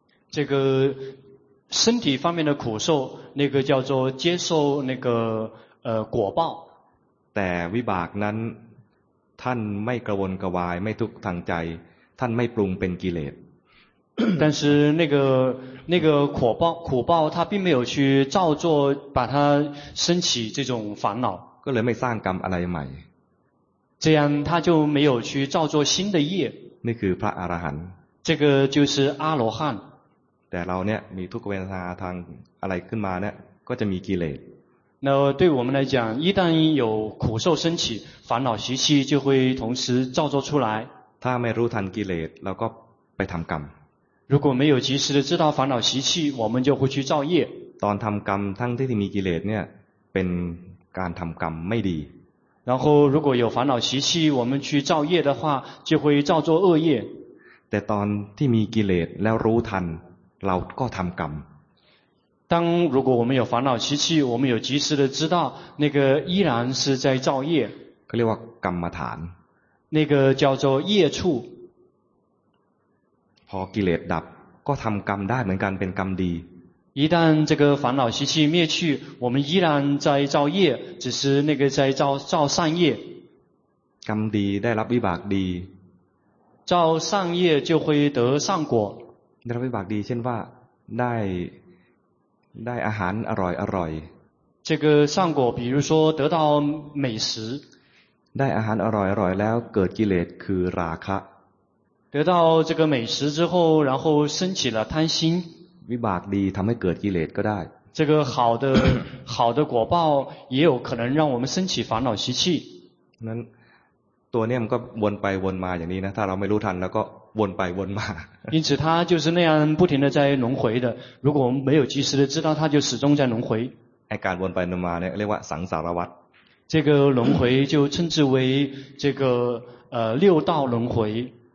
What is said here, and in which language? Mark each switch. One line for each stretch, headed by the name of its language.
Chinese: 这个身体方面的苦受那个叫做接受那个果报
Thai: แต่วิบากนั้นท่านไม่กระวนกระวายไม่ทุกข์ทางใจท่านไม่ปรุงเป็นกิเลส
Chinese: 但是那个苦报他并没有去造作把他升起这种烦恼
Thai: ก็เลยไม่สร้างกรรมอะไรใหม่
Chinese: 这样他就没有去造作新的业
Thai: นี่คือพระอรหันต์
Chinese: 这个就是阿罗汉
Thai: แต่เราเนี่ยมีทุกขเวทนาทางอะไรขึ้นมาเนี่ยก็จะมีกิเลส
Chinese: 那对我们来讲一旦有苦受升起烦恼习气就会同时造作出来
Thai: ถ้าไม่รู้ทันกิเลสเราก็ไปทำกรรม
Chinese: 如果没有及时的知道烦恼习气我们就会去造业
Thai: ตอนทำกรรมทั้งที่มีกิเลสเนี่ยเป็นการทำกรรมไม่ดี
Chinese: 然后如果有烦恼习气我们去造业的话就会造作恶业
Thai: แต่ตอนที่มีกิเลสแล้วรู้ทันเราก็ทำกรรม
Chinese: 当如果我们有烦恼习气我们有及时的知道那个依然是在造业
Thai: เรียกว่ากรรมฐาน
Chinese: 那个叫做业处
Thai: พอกิเลสดับก็ทำกรรมได้เหมือนกันเป็นกรรมดี
Chinese: 一旦这个烦恼习气灭去我们依然在造业只是那个在造善业
Thai: กรรมดีได้รับวิบากดี
Chinese: 造善业就会得善果
Thai: ได้รับวิบากดีเช่นว่าได้อาหารอร่อยอร่อย
Chinese: 这个善果比如说得到美食
Thai: ได้อาหารอร่อยอร่อยแล้วเกิดกิเลสคือราคะ
Chinese: 得到这个美食之后然后升起了贪心
Thai: วิบากดีทำให้เกิดกิเลสก็ได้
Chinese: 这个好的果报也有可能让我们升起烦恼习气
Thai: นั้นตัวเนี่ยมันก็วนไปวนมาอย่างนี้นะถ้าเราไม่รู้ทันแล้วก็วนไปวนมา
Chinese: 因此它就是那样不停的在轮回的如果我们没有及时的知道它就始终在轮回
Thai: ไอ้การวนไปวนมาเนี่ยเรียกว่าสังสารวัฏ
Chinese: 这个轮回就称之为这个六道轮回